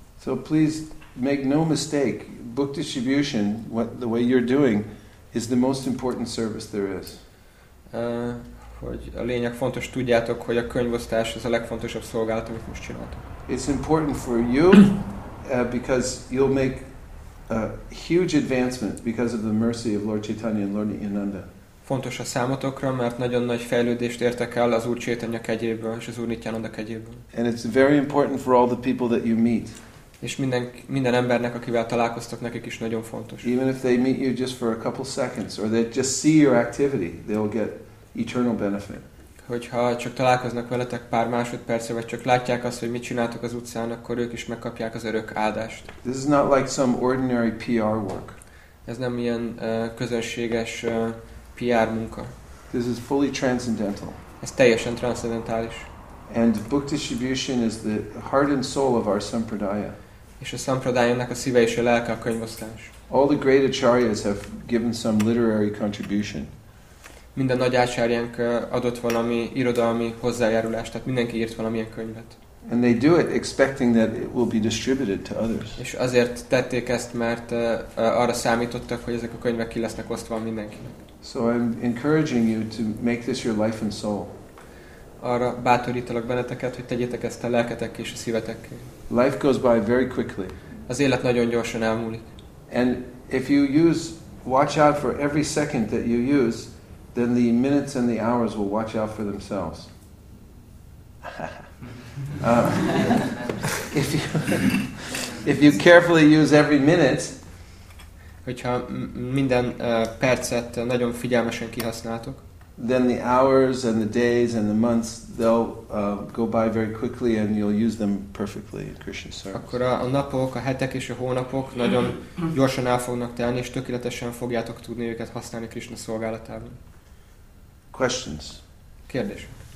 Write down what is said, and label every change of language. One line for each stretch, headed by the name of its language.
English: So please make no mistake, book distribution, the way you're doing, is the most important service there is.
Hungarian: Hogy a lényeg fontos, tudjátok, hogy a könyvosztás az a legfontosabb szolgálat, amit most csináltok.
English: It's important for you, because you'll make a huge advancement because of the mercy of Lord Chaitanya and Lord Nityananda.
Hungarian: Fontos a számotokra, mert nagyon nagy fejlődést értek el az Úr Chaitanya kegyéből és az Úr Nityananda kegyéből.
English: And it's very important for all the people that you meet.
Hungarian: És minden embernek, akivel találkoztok, nekik is nagyon fontos.
English: Even if they meet you just for a couple seconds, or they just see your activity, they'll get eternal benefit.
Hungarian: Hogyha csak találkoznak veletek pár másodpercre, vagy csak látják azt, hogy mit csináltok az utcán, akkor ők is megkapják az örök áldást.
English: This is not like some ordinary PR work.
Hungarian: Ez nem ilyen közönséges PR munka.
English: This is fully transcendental.
Hungarian: Ez teljesen transzcendentális.
English: And book distribution is the heart and soul of our sampradaya.
Hungarian: És a sampradayának a szíve és a lelke a könyvosztás.
English: All the great acharyas have given some literary contribution.
Hungarian: Minden nagy ácsárjánk adott valami irodalmi hozzájárulást, tehát mindenki írt valamilyen könyvet.
English: And they do it expecting that it will be distributed to others.
Hungarian: És azért tették ezt, mert arra számítottak, hogy ezek a könyvek ki lesznek osztva mindenkinek.
English: So I'm encouraging you to make this your life and soul.
Hungarian: Arra bátorítalak benneteket, hogy tegyétek ezt a lelketek és a szívetek.
English: Life goes by very quickly.
Hungarian: Az élet nagyon gyorsan elmúlik.
English: And if you use, watch out for every second that you use, then the minutes and the hours will watch out for themselves. if you carefully use every minute,
Hungarian: hogyha minden percet nagyon figyelmesen kihasználtok,
English: then the hours and the days and the months, they'll go by very quickly and you'll use them perfectly in Krishna's service.
Hungarian: Akkor a napok, a hetek és a hónapok nagyon gyorsan el fognak telni, és tökéletesen fogjátok tudni őket használni Krishna szolgálatában.
English: Questions?
Hungarian: Kérdés.